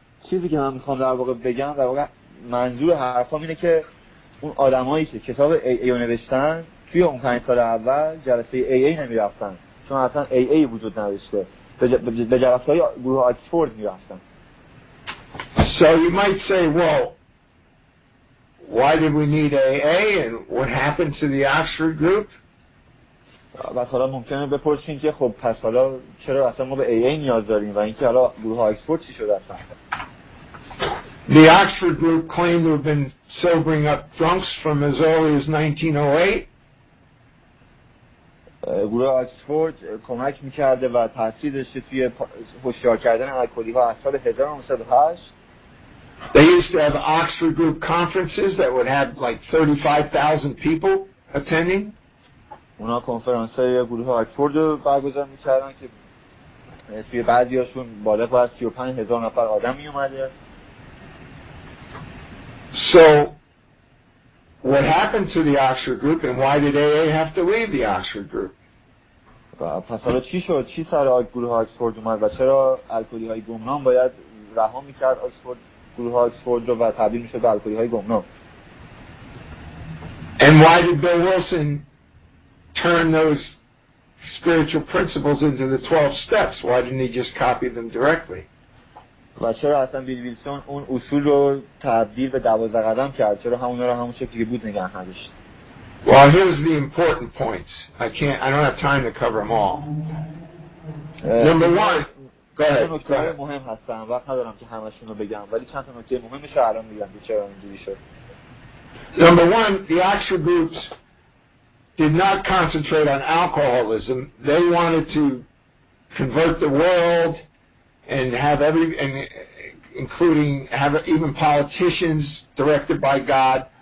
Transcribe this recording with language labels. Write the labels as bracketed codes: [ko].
[fa] چیزی که من میخوام در واقع بگم در واقع منظور حرفام اینه که اون آدمایی که کتاب AA نوشتن توی اون 5 سال اول جلسه AA نمیرفتن چون اصلا AA وجود نداشته به جلسه های گروه آکسفورد میرفتن. [en] So you might say, well, why did we need AA and what happened to the Oxford group? [fa] بس حالا ممکنه بپرسین که خب پس حالا چرا اصلا ما به AA نیاز داریم و اینکه حالا گروه آکسفورد چی شده اصلا؟ [en] The Oxford group claimed to have been sobering up drunks from as early as 1908. [fa] گروه آکسفورد کمک می‌کرده و تأثیر داشته توی هوشیار کردن الکلی‌ها از سال 1908. [en] They used to have Oxford group conferences that would have like 35,000 people attending. [fa] اونا کنفرانس‌های گروه آکسفورد رو برگزار می‌کردن که توی بعضی‌هاشون بالغ بر 35,000 نفر آدم می‌اومده. [en] So, what happened to the Oxford group, and why did AA have to leave the Oxford group? [fa] پس حالا چی شد؟ چی سر گروه آکسفورد اومد؟ و چرا الکلی‌های گمنام باید رها می‌کرد آکسفورد گروه آکسفورد رو و تبدیل می‌شد به الکلی‌های گمنام؟ [en] And why did Bill Wilson turn those spiritual principles into the 12 steps? Why didn't he just copy them directly? [fa] و چرا اصلا بیل ویلسون اون اصول رو تبدیل به 12 قدم کرد؟ چرا همون رو همون شکلی که بود نگه نداشت؟ [en] Well, here's the important points. I don't have time to cover them all. Number one, go ahead. [fa] مهم هستن. وقت ندارم که همشون رو بگم. ولی چند تا نکته مهمش رو الان میگم. چرا اینجوری شد؟ [en] Number one, the Oxford groups did not concentrate on alcoholism. They wanted to convert the world and have every and including have even politicians directed by God.